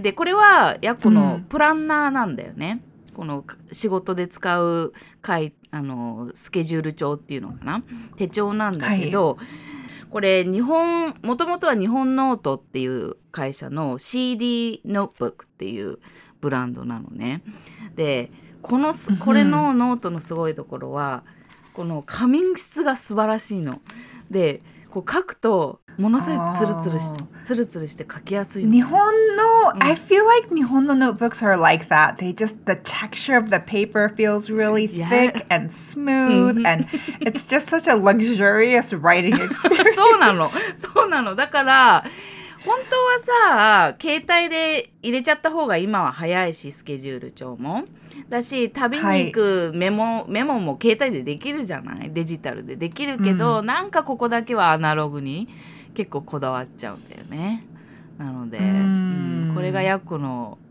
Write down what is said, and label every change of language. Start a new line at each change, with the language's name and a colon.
Japanese: で、これはやっこのプランナーなんだよね。この仕事で使う会、スケジュール帳っていうのかな、手帳なんだけど、これ日本、もともとは日本ノートっていう会社の CD ノートブックっていうブランドなのね。で、これのノートのすごいところは、この紙質が素晴らしいの。で、こう書くとものすごいツルツルして書きやすい、ね、日本の、
English: I feel like 日本の notebooks are like that. They just, the texture of the paper feels really thick and smooth and it's just such a luxurious writing experience.
Japanese: そうなの。だから本当はさ、携帯で入れちゃった方が今は早いし、スケジュール帳もだし、旅に行くメモも携帯でできるじゃない、デジタルでできるけど、なんかここだけはアナログに結構こだわっちゃうんだよね。なので、これがヤッコの